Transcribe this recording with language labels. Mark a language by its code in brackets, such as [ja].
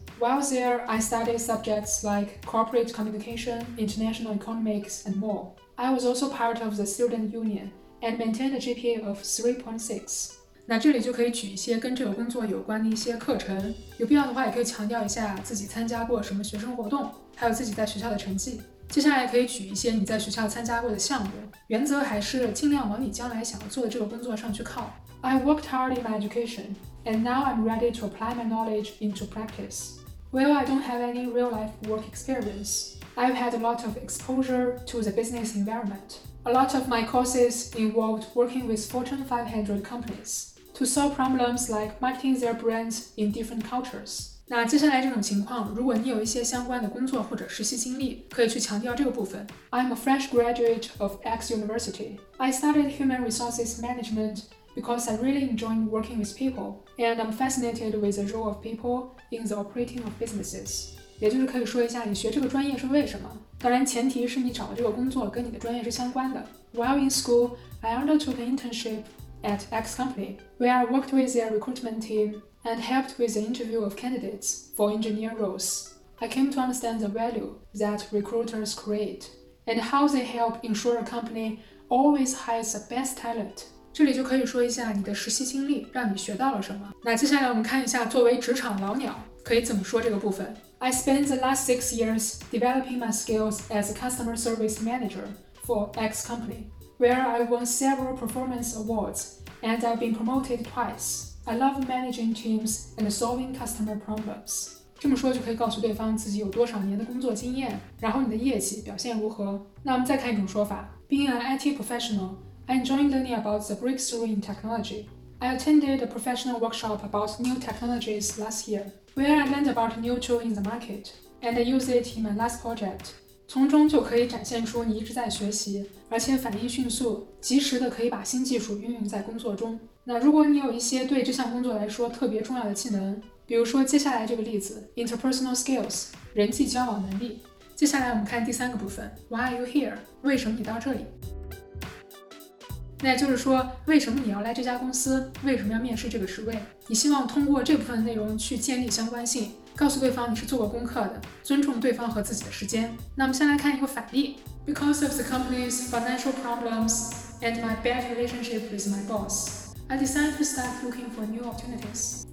[en] While there, I studied subjects like corporate communication, international economics, and more. I was also part of the student union and maintained a GPA of 3.6. [zh] 那这里就可以举一些跟这个工作有关的一些课程，有必要的话也可以强调一下自己参加过什么学生活动，还有自己在学校的成绩。接下来可以举一些你在学校参加过的项目，原则还是尽量往你将来想要做的这个工作上去靠。 [en] I worked hard in my education, and now I'm ready to apply my knowledge into practice. Well, I don't have any real-life work experience. I've had a lot of exposure to the business environment. A lot of my courses involved working with Fortune 500 companies to solve problems like marketing their brands in different cultures. [zh] 那接下来这种情况，如果你有一些相关的工作或者实习经历，可以去强调这个部分。 [en] I'm a fresh graduate of X University. I studied human resources management. Because I really enjoy working with people, and I'm fascinated with the role of people in the operating of businesses. [zh] 也就是可以说一下你学这个专业是为什么。当然，前提是你找的这个工作跟你的专业是相关的。 [en] While in school, I undertook an internship at X company, where I worked with their recruitment team and helped with the interview of candidates for engineer roles. I came to understand the value that recruiters create and how they help ensure a company always hires the best talent. [zh] 这里就可以说一下你的实习经历，让你学到了什么。那接下来我们看一下，作为职场老鸟，可以怎么说这个部分。 [en] I spent the last 6 years developing my skills as a customer service manager for X company, where I won several performance awards, and I've been promoted twice. I love managing teams and solving customer problems. [zh] 这么说就可以告诉对方自己有多少年的工作经验，然后你的业绩表现如何。那我们再看一种说法， [en] Being an IT professional, I enjoy learning about the breakthrough in technology. I attended a professional workshop about new technologies last year, where I learned about a new tool in the market, and I used it in my last project. [zh] 从中就可以展现出你一直在学习，而且反应迅速，及时的可以把新技术运用在工作中。那如果你有一些对这项工作来说特别重要的技能，比如说接下来这个例子 interpersonal skills 人际交往能力。接下来我们看第三个部分 [en] why are you here [zh] 为什么你到这里，那就是说为什么你要来这家公司，为什么要面试这个职位。你希望通过这部分内容去建立相关性，告诉对方你是做过功课的，尊重对方和自己的时间。那我们先来看一个反例。 [en] Because of the company's financial problems and my bad relationship with my boss, I decided to start looking for new opportunities.